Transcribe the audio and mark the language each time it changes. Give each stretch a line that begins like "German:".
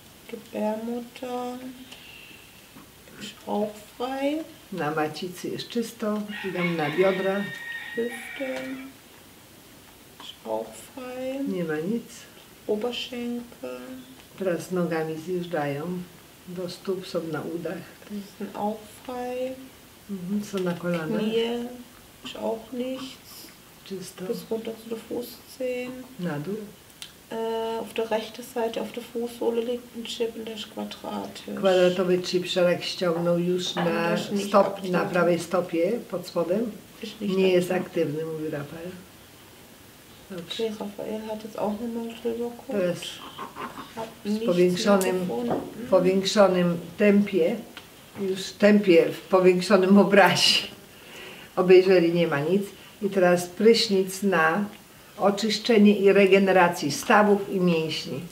German: Gebärmutter ist auch frei.
Polish: Na macicy jest czysto, idą na biodra.
German: Hüfte. Auch frei.
Polish: Nie ma nic.
German: Oberschenkel.
Polish: Teraz nogami zjeżdżają. Do stóp są na udach.
German: Das sind auch frei.
Polish: Są na kolanach.
German: Knie. Ist auch nichts.
Polish: Czysto.
German: Bis runter zu den Fußzehen.
Polish: Na dół.
German: Auf der rechten Seite, auf der Fußsohle liegt ein Chip und der ist quadratisch.
Polish: Kwadratowy chip, szereg ściągnął już na stop, na prawej stopie pod spodem. Nie jest aktywny, mówi Rafael.
German: Okay, Rafael hat jetzt auch eine Mandelkuh.
Polish: Teraz w powiększonym tempie, już tempie w powiększonym obrazie, obejrzeli, nie ma nic. I teraz prysznic na oczyszczenie i regenerację stawów i mięśni.